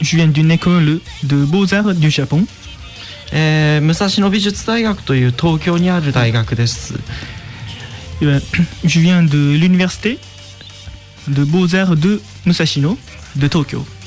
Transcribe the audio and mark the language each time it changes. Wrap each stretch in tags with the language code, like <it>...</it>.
<fr>d'une école de beaux-arts du Japon.</fr> <ja>Musashino美術大学という東京にある大学です。</ja> <fr>Je viens de l'université de beaux-arts de Musashino, de Tokyo.</fr>